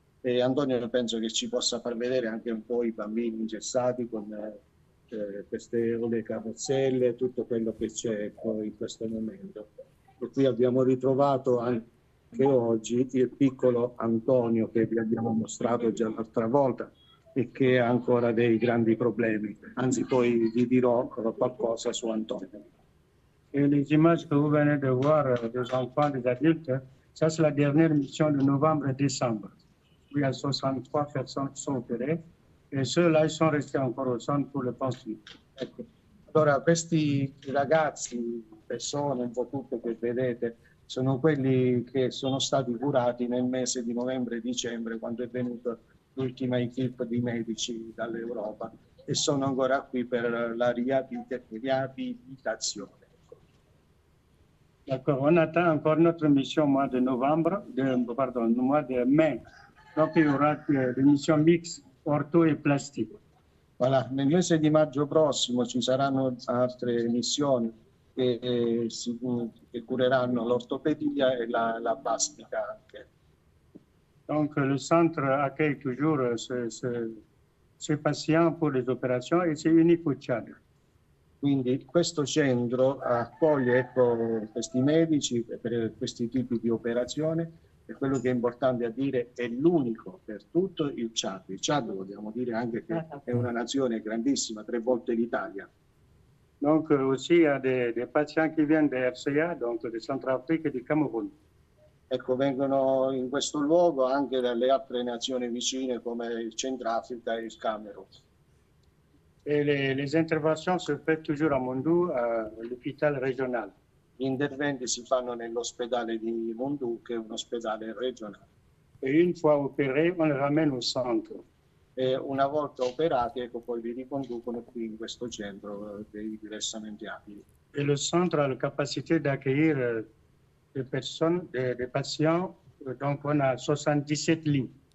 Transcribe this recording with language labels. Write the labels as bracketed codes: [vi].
[it] E Antonio, penso che ci possa far vedere anche un po' i bambini ingessati con queste le carrozzelle, tutto quello che c'è ecco, in questo momento. E qui abbiamo ritrovato anche oggi il piccolo Antonio che vi abbiamo mostrato già l'altra volta. E che ha ancora dei grandi problemi, anzi, poi vi dirò qualcosa su Antonio. [fr] Et les images que vous venez de voir des enfants, des adultes, ça c'est la dernière mission de novembre-décembre. Il y a 63 personnes qui sont opérées et ceux-là, ils sont restés encore au centre pour le poursuivre. [it] Ecco. Allora, questi ragazzi, persone, un po' tutte che vedete, sono quelli che sono stati curati nel mese di novembre-dicembre, quando è venuto l'ultima equip di medici dall'Europa e sono ancora qui per la riabilitazione. [fr] D'accord, on attend encore notre mission au mois de novembre, pardon, au mois de mai. Donc, il y aura des missions mixtes, ortho et plastique. [it] Voilà, nel mese di maggio prossimo ci saranno altre missioni che cureranno l'ortopedia e la plastica anche. [fr] Donc, le centre accueille toujours ses patients pour les opérations et c'est unique au Tchad. [it] Quindi questo centro accoglie ecco, questi medici per questi tipi di operazione e quello che è importante a dire è l'unico per tutto il Ciad. Il Ciad vogliamo dire anche che è una nazione grandissima, 3 volte l'Italia. [fr] Donc, aussi, il y a des patients qui viennent des RCA, donc des Centrafrique et du Cameroun. [it] Ecco, vengono in questo luogo anche dalle altre nazioni vicine come il Centrafrica e il Camerun. [fr] Les interventions se font toujours à Mondou, à l'hôpital régional. [it] Gli interventi si fanno nell'ospedale di Mondou, che è un ospedale regionale. [fr] Et une fois opéré, on le ramène au centre. [it] E una volta operati, ecco, poi li riconducono qui in questo centro dei diversamente abili. [fr] Et le centre a la capacité d'accueillir des personnes, des patients, donc on a 77 lits.